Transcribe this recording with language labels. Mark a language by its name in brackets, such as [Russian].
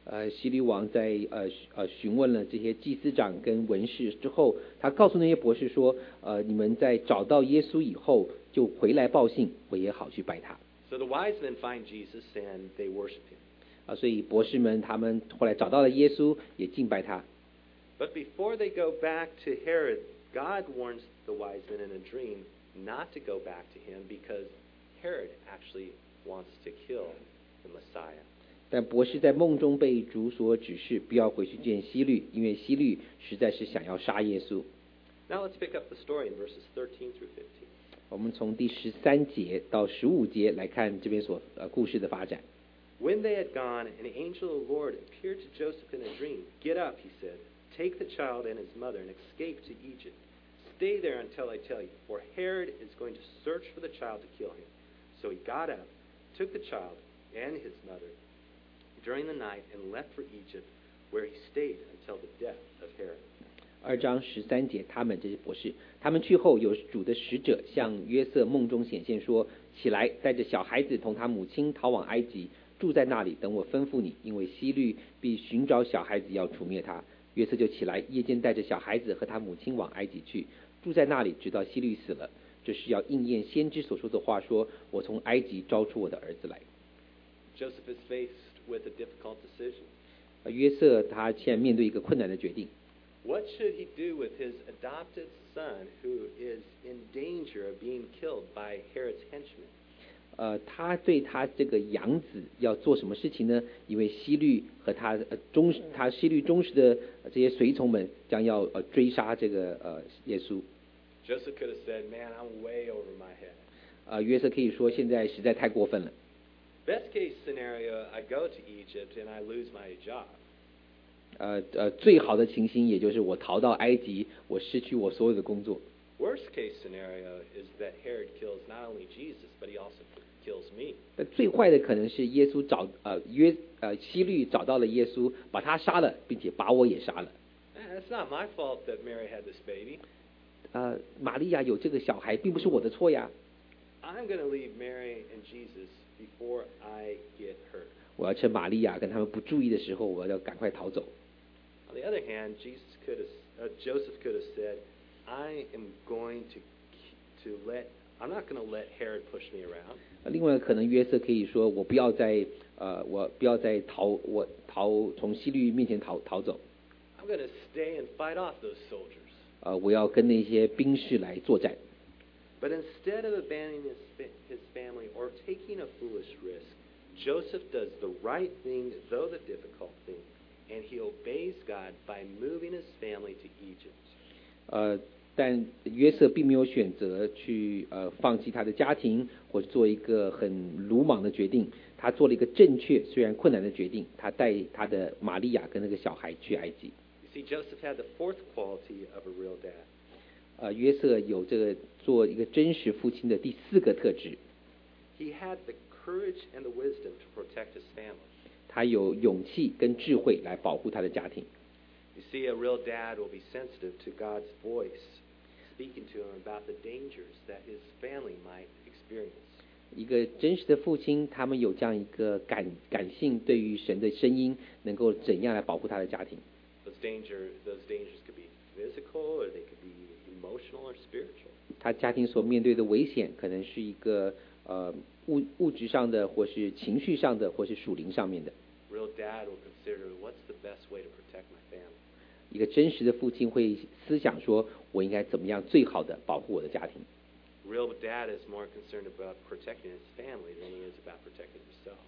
[Chinese] 希律王在询问了这些祭司长跟文士之后，他告诉那些博士说，你们在找到耶稣以后就回来报信，我也好去拜他。 [English] So the wise men find Jesus and they worship him. [Chinese] 所以博士们他们后来找到了耶稣，也敬拜他。 [English] But before they go back to Herod, God warns the wise men in a dream not to go back to him because Herod actually wants to kill the Messiah. [Chinese] 但博士在梦中被主所指示，不要回去见希律，因为希律实在是想要杀耶稣。 [English] Now let's pick up the story in verses 13 through 15. [Chinese] 我们从第十三节到十五节来看这边所故事的发展。 [English] When they had gone, an angel of the Lord appeared to Joseph in a dream. Get up, he said. Take the child and his mother and escape to Egypt. Stay there until I tell you, for Herod is going to search for the child to kill him. So he got up, took the child and his mother during the night and left for Egypt, where he stayed until the death of Herod. [Chinese] 二章十三节，他们这些博士，他们去后，有主的使者向约瑟梦中显现，说：“起来，带着小孩子同他母亲逃往埃及，住在那里，等我吩咐你，因为希律必寻找小孩子要除灭他。” 约瑟就起来，夜间带着小孩子和他母亲往埃及去，住在那里，直到希律死了。这是要应验先知所说的话，说：“我从埃及招出我的儿子来。” [English] Joseph is faced with a difficult decision. [Chinese] 约瑟他现在面对一个困难的决定。 [English] What should he do with his adopted son who is in danger of being killed by Herod's henchmen? [Chinese] 他对他这个养子要做什么事情呢？因为希律和他希律忠实的这些随从们将要追杀这个耶稣。 [English] Joseph could have said, "Man, I'm way over my head." [Chinese] 约瑟可以说现在实在太过分了。 [English] Best case scenario, I go to Egypt and I lose my job. [Chinese] 最好的情形也就是我逃到埃及，我失去我所有的工作。 [English] Worst case scenario is that Herod kills not only Jesus, but he also kills me. [Chinese] 但最坏的可能是希律找到了耶稣，把他杀了，并且把我也杀了。 [English] It's not my fault that Mary had this baby. [Chinese] 玛利亚有这个小孩，并不是我的错呀。 [English] I'm going to leave Mary and Jesus before I get hurt. [Chinese] 我要趁玛利亚跟他们不注意的时候，我要赶快逃走。 [English] On the other hand, Joseph could have said, "I am going to let I'm not going to let Herod push me around. [Chinese] 另外可能约瑟可以说我不要再我不要再逃我逃从希律面前逃逃走。 [English] I'm going to stay and fight off those soldiers. [Chinese] 我要跟那些兵士来作战。 [English] But instead of abandoning his family or taking a foolish risk, Joseph does the right thing, though the difficult thing, and he obeys God by moving his family to Egypt. [Chinese] 但约瑟并没有选择去放弃他的家庭，或做一个很鲁莽的决定。他做了一个正确虽然困难的决定，他带他的玛利亚跟那个小孩去埃及。 [English] You see, Joseph had the fourth quality of a real dad. [Chinese] 约瑟有这个做一个真实父亲的第四个特质。 [English] He had the courage and the wisdom to protect his family. [Chinese] 他有勇气跟智慧来保护他的家庭。 [English] You see, a real dad will be sensitive to God's voice speaking to him about the dangers that his family might experience. [Chinese] 一个真实的父亲，他们有这样一个感性，对于神的声音，能够怎样来保护他的家庭？ [English] Those dangers could be physical, or they could be emotional or spiritual. [Chinese] 他家庭所面对的危险，可能是一个物质上的，或是情绪上的，或是属灵上面的。 [English] Real dad will consider what's the best way to protect my family. [Chinese] 一个真实的父亲会思想说，我应该怎么样最好的保护我的家庭。 [English] Real dad is more concerned about protecting his family than he is about protecting himself.